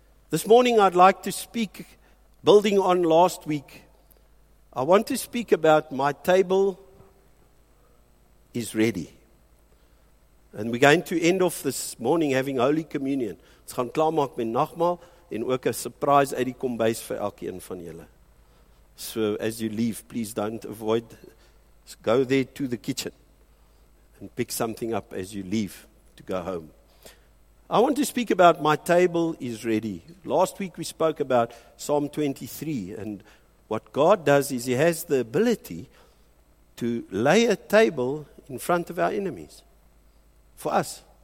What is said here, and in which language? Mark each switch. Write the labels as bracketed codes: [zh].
[en] This morning I'd like to speak, building on last week, I want to speak about my table is ready. And we're going to end off this morning having Holy Communion. [af] Ons gaan klaar maak met nagmaal en ook 'n surprise uit die kombuis vir elkeen van julle. [en] So as you leave, please don't avoid. Go there to the kitchen and pick something up as you leave to go home. I want to speak about my table is ready. Last week we spoke about Psalm 23, and what God does is He has the ability to lay a table in front of our enemies, for us.